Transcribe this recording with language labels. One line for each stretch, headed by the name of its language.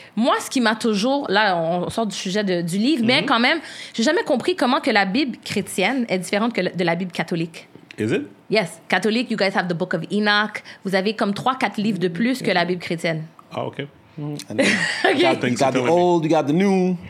French: Moi, ce qui m'a toujours, là, on sort du sujet du livre, mm-hmm. mais quand même, j'ai jamais compris comment que la Bible chrétienne est différente que de la Bible catholique.
English: Is it? Yes, Catholic, you guys have the Book of Enoch.
French: Vous avez comme 3-4 livres de plus que la Bible chrétienne.
English: Ah, OK. Okay. You got the old, you got the new.